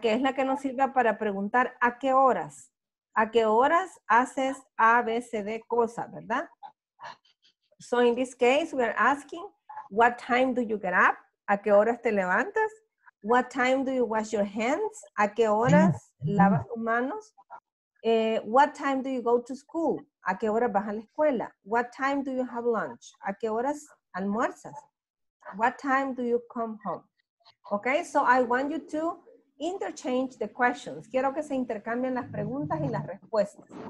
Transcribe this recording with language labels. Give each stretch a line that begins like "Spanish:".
Spanish: Que es la que nos sirve para preguntar a qué horas. ¿A qué horas haces A, B, C, D cosa, ¿verdad?
English: So in this case, we are asking, what time do you get up?
Spanish: ¿A qué horas te levantas?
English: What time do you wash your hands?
Spanish: ¿A qué horas lavas tus manos?
English: What time do you go to school?
Spanish: ¿A qué horas vas a la escuela?
English: What time do you have lunch?
Spanish: ¿A qué horas almuerzas?
English: What time do you come home? Okay, so I want you to interchange the questions.
Spanish: Quiero que se intercambien las preguntas y las respuestas.